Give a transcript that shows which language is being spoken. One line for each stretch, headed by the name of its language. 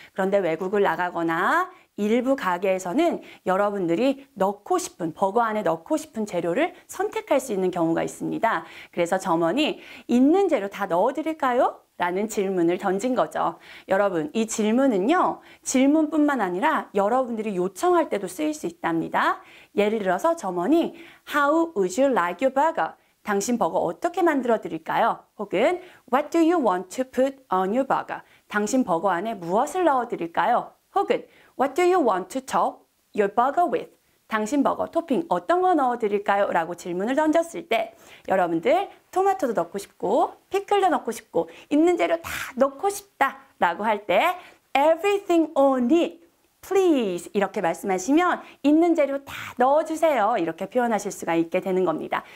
Korean: 그런데 외국을 나가거나 일부 가게에서는 여러분들이 넣고 싶은 버거 안에 넣고 싶은 재료를 선택할 수 있는 경우가 있습니다. 그래서 점원이 있는 재료 다 넣어드릴까요? 라는 질문을 던진 거죠. 여러분 이 질문은요. 질문뿐만 아니라 여러분들이 요청할 때도 쓰일 수 있답니다. 예를 들어서 점원이
English: How would you like your burger?
Korean: 당신 버거 어떻게 만들어 드릴까요? 혹은
English: What do you want to put on your burger?
Korean: 당신 버거 안에 무엇을 넣어 드릴까요? 혹은
English: What do you want to top your burger with?
Korean: 당신 버거 토핑 어떤 거 넣어 드릴까요? 라고 질문을 던졌을 때 여러분들 토마토도 넣고 싶고 피클도 넣고 싶고 있는 재료 다 넣고 싶다 라고 할 때
English: Everything on it
Korean: please 이렇게 말씀하시면 있는 재료 다 넣어주세요 이렇게 표현하실 수가 있게 되는 겁니다.